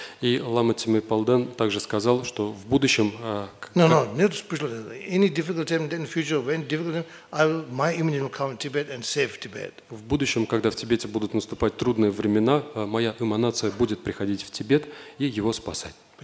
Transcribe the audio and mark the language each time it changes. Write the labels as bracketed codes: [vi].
[ru] И лама Тимей Палден также сказал, что в будущем Нет [en] spiritual leader. Any difficult time in the future, when difficult time, my image will come to Tibet and save Tibet. [ru] В будущем, когда в Тибете будут наступать трудные времена, моя эманация будет приходить в Тибет и его спасать.